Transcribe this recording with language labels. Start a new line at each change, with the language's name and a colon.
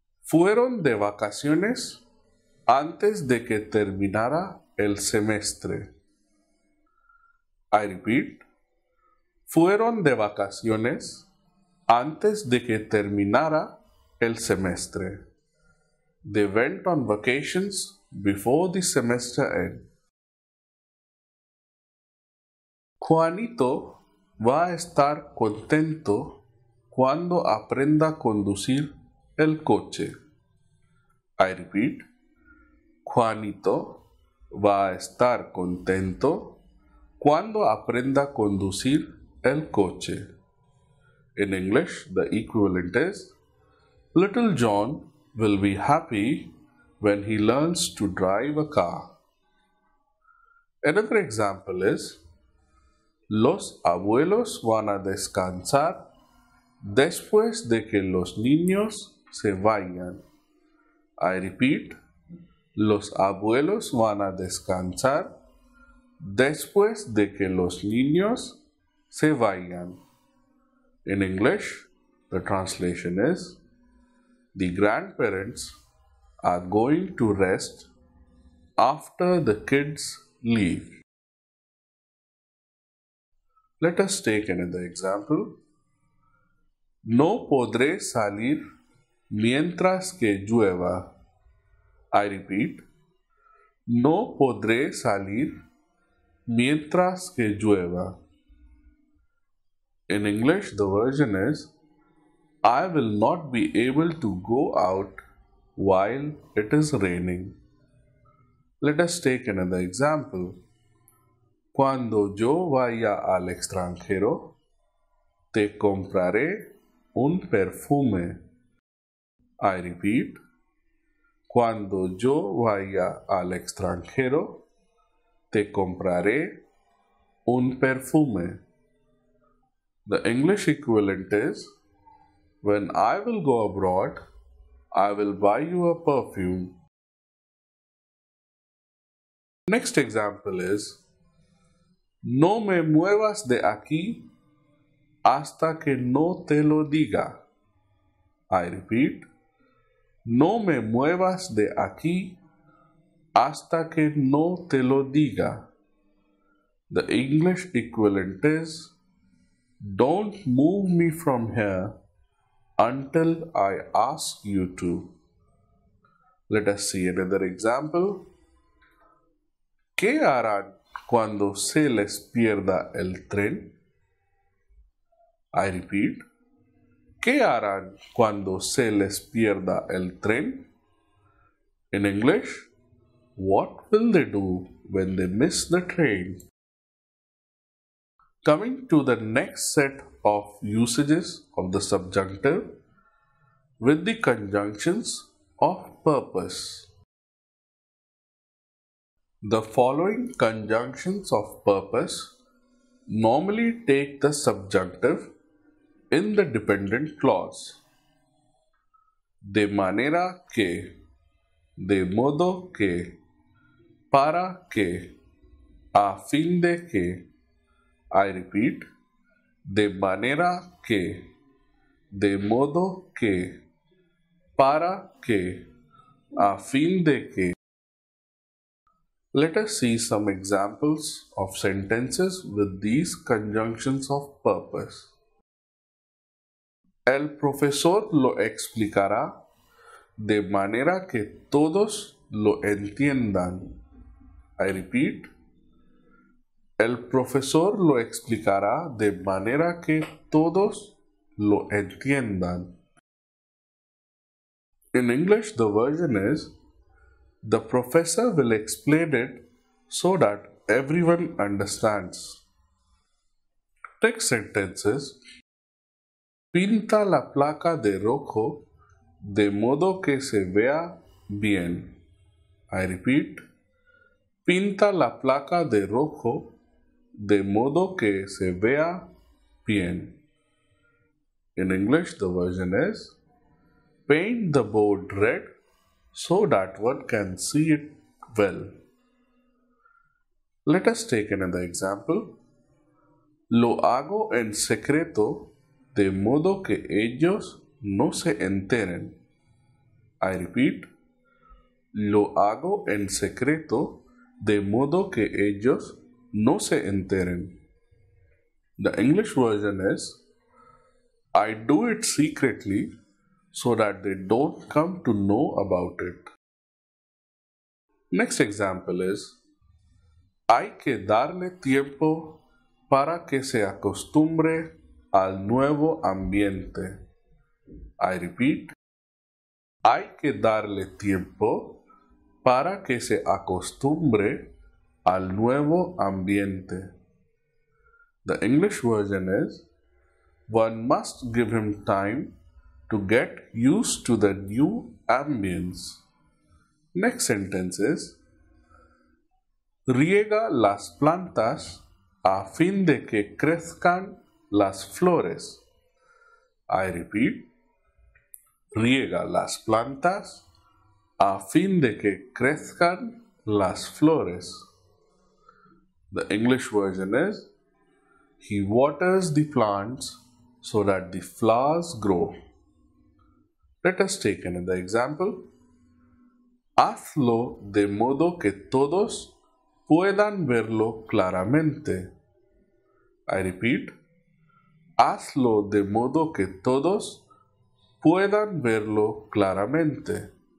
Spanish: Fueron de vacaciones antes de que terminara el semestre.
English: I repeat.
Spanish: Fueron de vacaciones antes de que terminara el semestre.
English: They went on vacations before the semester end.
Spanish: Juanito va a estar contento cuando aprenda a conducir el coche.
English: I repeat,
Spanish: Juanito va a estar contento cuando aprenda a conducir el coche.
English: In English, the equivalent is, Little John will be happy when he learns to drive a car. Another example is,
Spanish: Los abuelos van a descansar después de que los niños se vayan.
English: I repeat,
Spanish: los abuelos van a descansar después de que los niños se vayan.
English: In English, the translation is, the grandparents are going to rest after the kids leave. Let us take another example.
Spanish: No podré salir mientras que llueva.
English: I repeat,
Spanish: no podré salir mientras que llueva.
English: In English, the version is, I will not be able to go out while it is raining. Let us take another example.
Spanish: Cuando yo vaya al extranjero, te compraré un perfume.
English: I repeat,
Spanish: cuando yo vaya al extranjero, te compraré un perfume.
English: The English equivalent is, when I will go abroad, I will buy you a perfume. Next example is,
Spanish: no me muevas de aquí hasta que no te lo diga.
English: I repeat,
Spanish: no me muevas de aquí hasta que no te lo diga.
English: The English equivalent is, don't move me from here until I ask you to. Let us see another example.
Spanish: ¿Qué harán cuando se les pierda el tren?
English: I repeat.
Spanish: ¿Qué harán cuando se les pierda el tren?
English: In English, what will they do when they miss the train? Coming to the next set of usages of the subjunctive with the conjunctions of purpose. The following conjunctions of purpose normally take the subjunctive in the dependent clause.
Spanish: De manera que, de modo que, para que, a fin de que.
English: I repeat,
Spanish: de manera que, de modo que, para que, a fin de que.
English: Let us see some examples of sentences with these conjunctions of purpose.
Spanish: El profesor lo explicará de manera que todos lo entiendan.
English: I repeat.
Spanish: El profesor lo explicará de manera que todos lo entiendan.
English: In English, the version is, the professor will explain it so that everyone understands. Text sentences.
Spanish: Pinta la placa de rojo de modo que se vea bien.
English: I repeat.
Spanish: Pinta la placa de rojo de modo que se vea bien.
English: In English, the version is, paint the board red so that one can see it well. Let us take another example.
Spanish: Lo hago en secreto de modo que ellos no se enteren.
English: I repeat.
Spanish: Lo hago en secreto de modo que ellos no se enteren.
English: The English version is, I do it secretly so that they don't come to know about it. Next example is,
Spanish: hay que darle tiempo para que se acostumbre al nuevo ambiente.
English: I repeat,
Spanish: hay que darle tiempo para que se acostumbre al nuevo ambiente.
English: The English version is, one must give him time to get used to the new ambience. Next sentence is,
Spanish: riega las plantas a fin de que crezcan las flores.
English: I repeat,
Spanish: riega las plantas a fin de que crezcan las flores.
English: The English version is, he waters the plants so that the flowers grow. Let us take another example.
Spanish: Hazlo de modo que todos puedan verlo claramente.
English: I repeat.
Spanish: Hazlo de modo que todos puedan verlo claramente.